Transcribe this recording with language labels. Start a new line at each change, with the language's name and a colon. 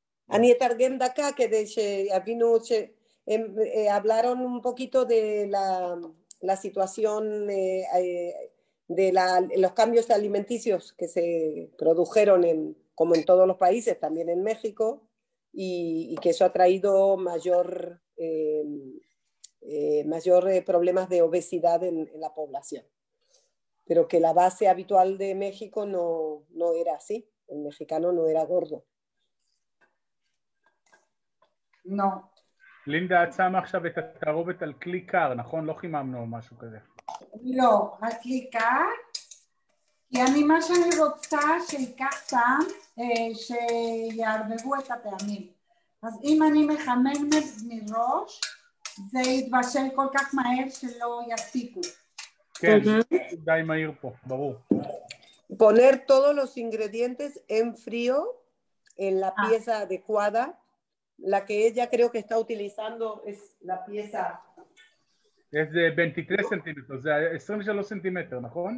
Hebrew: אני אתרגם דקה כדי שיבינו שהם
Spanish: hablaron un poquito de la situación de los cambios alimenticios que se produjeron en como en todos los países, también en México y que eso ha traído mayor problemas de obesidad en la población. Pero que la base habitual de México no era así, el mexicano no era gordo.
Hebrew: לא. לינדה, את שמה עכשיו את התערובת על כלי קר, נכון? לא חיממנו או משהו כזה. לא, על כלי קר. כי אני מה שאני רוצה שיקח טעם, שיערבבו את הפעמים. אז אם אני מחמם מראש, זה יתבשל כל כך מהר שלא יספיקו. כן, די מהיר פה, ברור.
Spanish: Poner todos los ingredientes en frío, en la pieza adecuada. La que ella creo que está utilizando es la pieza... Es de 23 centímetros, o sea, 23 centímetros, ¿no?